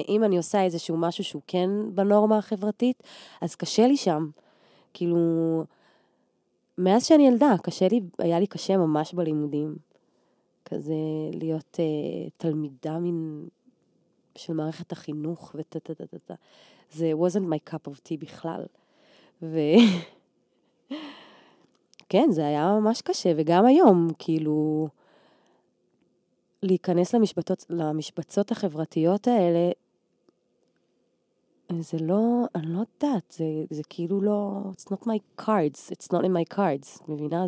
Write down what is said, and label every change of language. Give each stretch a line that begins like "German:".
Hebrew: אם אני עושה איזשהו משהו שהוא כן בנורמה החברתית, אז קשה לי שם. כאילו, מאז שאני ילדה, קשה לי, היה לי קשה ממש בלימודים. כזה להיות תלמידה מן... של מערכת החינוך ותתתתתתה. זה
English: wasn't my cup of tea
Hebrew: בכלל. ו... כן, זה היה ממש קשה, וגם היום, כאילו, להיכנס למשבצות החברתיות האלה, זה לא, אני לא יודעת, זה כאילו לא,
English: it's not my cards,
Hebrew: it's not in my cards, מבינה?